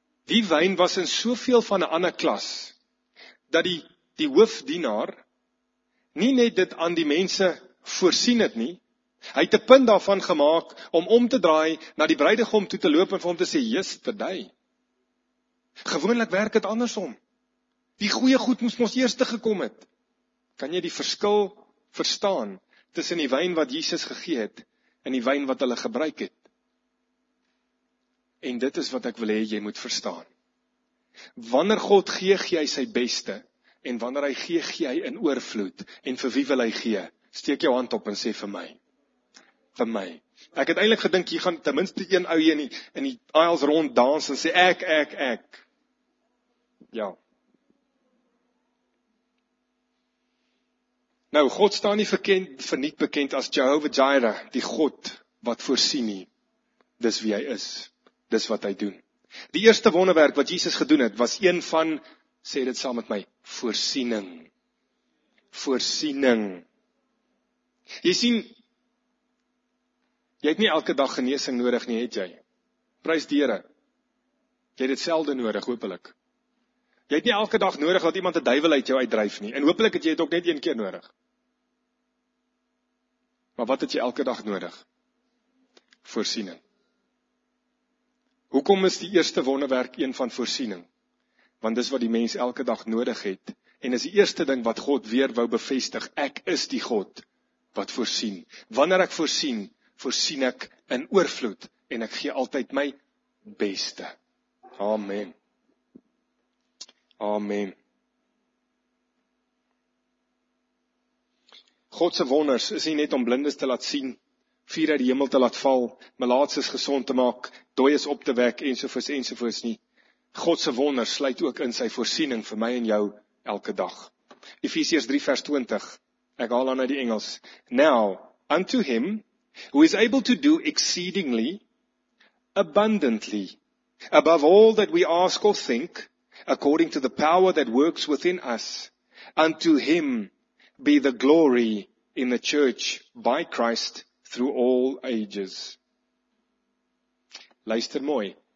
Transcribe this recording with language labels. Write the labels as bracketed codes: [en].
[af] Die wyn was in soveel van 'n ander klas, dat die hoofdienaar nie net dit aan die mense voorsien het nie, hy het 'n punt daarvan gemaak om te draai na die bruidegom toe te loop en vir hom te sê, yesterday. Gewoonlik werk het andersom. Die goeie goed moes ons eerste gekom het. Kan jy die verskil verstaan tussen die wyn wat Jesus gegee het en die wyn wat hulle gebruik het? En dit is wat ek wil hê jy moet verstaan. Wanneer God gee, gee hy sy beste, en wanneer hy gee, gee hy in oorvloed. En vir wie wil hy gee? Steek jou hand op en sê vir my. Vir my. Ek het eintlik gedink jy gaan ten minste een ou hier in die aisles rond dans en sê ek. Ja. Nou God staan nie bekend as Jehovah Jireh, die God wat voorsien nie. Dis wie hy is. Dis wat hy doen. Die eerste wonderwerk wat Jesus gedoen het, was een van, sê dit saam met my, voorsiening. Voorsiening. Jy sien, jy het nie elke dag genesing nodig nie, het jy. Prys die Here. Jy het dit selde nodig, hopelik. Jy het nie elke dag nodig dat iemand 'n duiwel uit jou uitdryf nie, en hopelik het jy dit ook net een keer nodig. Maar wat het jy elke dag nodig? Voorsiening. Hoekom is die eerste wonderwerk een van voorsiening? Want dis wat die mens elke dag nodig het, en is die eerste ding wat God weer wou bevestig, ek is die God wat voorsien. Wanneer ek voorsien, voorsien ek in oorvloed, en ek gee altyd my beste. Amen. Amen. God se wonders is nie net om blindes te laat sien, vuur uit die hemel te laat val, melaatses gesond te maak, dooies op te wek, ensovoorts ensovoorts nie. God se wonder sluit ook in sy voorsiening vir my en jou elke dag. Efesiërs 3 vers 20, ek haal aan uit die Engels. [en] Now, unto him, who is able to do exceedingly, abundantly, above all that we ask or think, according to the power that works within us, unto him be the glory in the church by Christ, through all ages. [af] Luister mooi.